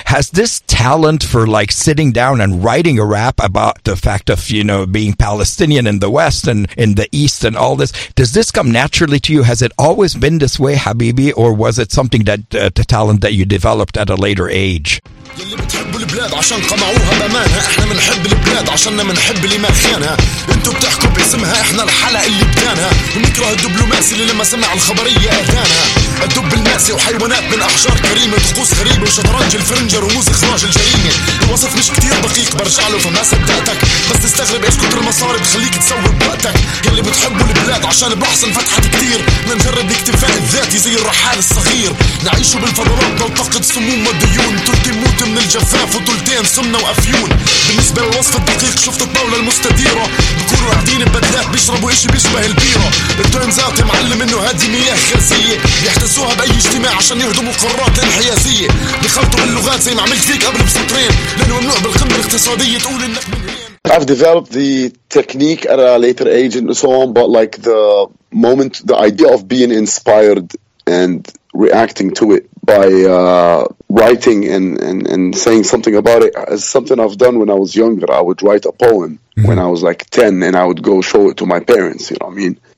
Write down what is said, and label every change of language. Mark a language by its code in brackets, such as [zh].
[en] Has this talent for like sitting down and writing a rap about the fact of, you know, being Palestinian in the West and in the East and all this, does this come naturally to you? Has it always been this way, Habibi, or was it something that the talent that you developed at a later age? [ar] البلاد عشان قمعوها بمانها احنا منحب البلاد عشان منحب اللي ما خيانها انتو بتحكوا باسمها احنا الحلق اللي بدانها ومكره الدبلوماسي اللي لما سمع الخبرية اهدانها الدب الناسي وحيوانات من احجار كريمة طقوس غريبة وشطرنج الفرنجة رموز اخراج الجريمة الوصف مش كتير دقيق برجع له فما صدقتك بس تستغرب ايش كتر المصاري بخليك تسوي بوقتك يلي بتحبوا البلاد عشان بحسن فتحت كتير منجرب الاكتفاء الذاتي زي الرحال الصغير نعيشوا بالفضلات نلتقط سموم وديون تلتي موت من الجفاف وتلتين سمنة وافيون بالنسبة للوصف الدقيق شفت الطاولة المستديرة بكونوا قاعدين ببدلات بيشربوا اشي بيشبه البيرة التنزات معلم انه هذه مياه غازية بيحتسوها باي اجتماع عشان يهدموا قرارات انحيازية بيخلطوا باللغات زي ما عملت فيك قبل بسطرين لانه ممنوع بالقمة الاقتصادية تقول انك من [en] I've developed the technique at a later age and so on, but like the moment, the idea of being inspired and reacting to it by writing and saying something about it is something I've done when I was younger. I would write a poem when I was like 10 and I would go show it to my parents, you know what I mean?